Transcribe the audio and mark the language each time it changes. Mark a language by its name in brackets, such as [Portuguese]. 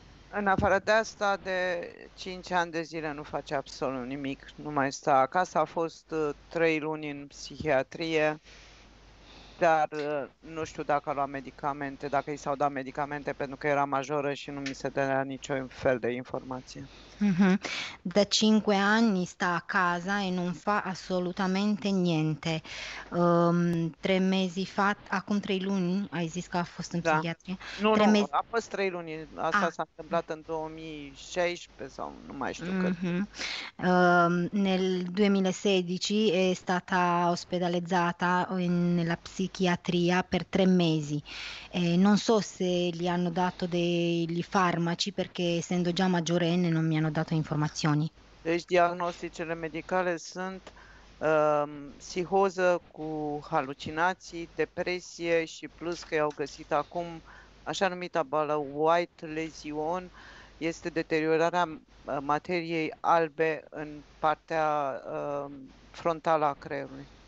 [Romanian] În afară de asta, de 5 ani de zile nu face absolut nimic, nu mai stă acasă. A fost 3 luni în psihiatrie, dar nu știu dacă a luat medicamente, dacă i s-au dat medicamente, pentru că era majoră și nu mi se dădea niciun fel de informație. [Italian] Da 5 anni sta a casa e non fa assolutamente niente. 3 mesi fa, [Romanian] acum 3 luni, hai zis che ha fost in Da. [Italian] psichiatria. [Romanian] Nu, [Italian] Tre [Romanian] nu, [Italian] mesi. [Romanian] a fost 3 luni, asta s-a întâmplat în 2016 sau nu mai știu când. [Italian] Nel 2016 è stata ospedalizzata nella psichiatria per 3 mesi. Non so se gli hanno dato dei farmaci perché essendo già maggiorenne non mi hanno dato informazioni. [Romanian] Deci diagnosticele medicale sunt psihoză cu halucinații, depresie și plus că i-au găsit acum așa numita boală White lesion, este deteriorarea materiei albe în partea frontală a creierului.